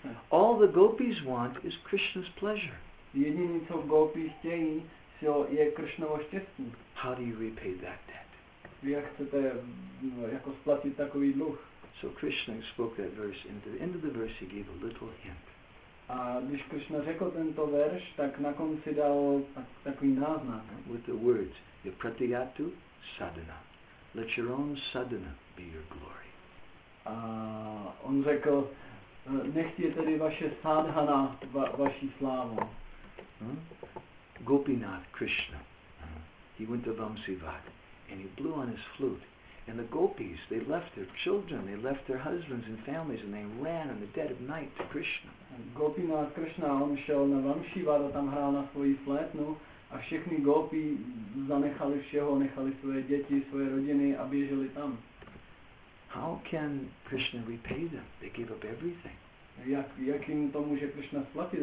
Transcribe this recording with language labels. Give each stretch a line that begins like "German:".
English: All the gopis want is Krishna's pleasure. How do you repay that debt?
Czech: Jak chcete jako splatit takový dluh.
English: So Krishna spoke that verse, and at the end of the verse he gave a little hint.
Czech: A když Krishna řekl tento verš, tak na konci dal takový náznak.
English: With the words, yapratyatu sadhana. Let your own sadhana be your glory.
Czech: A on řekl, nechtě tedy vaše sadhana vaší slávu.
English: Gopinath Krishna. He went to Vamsivad. And he blew on his flute. And the gopis, they left their children, they left their husbands and families, and they ran in the dead of night to Krishna.
Czech: Gopinath Krishna, on šel na Vamsivada, tam hrál na svoji flétnu, a všichni gopi zanechali všeho, nechali svoje děti, svoje rodiny a běželi tam.
English: How can Krishna repay them? They gave up everything.
Czech: Jak jim to může Krishna splatit?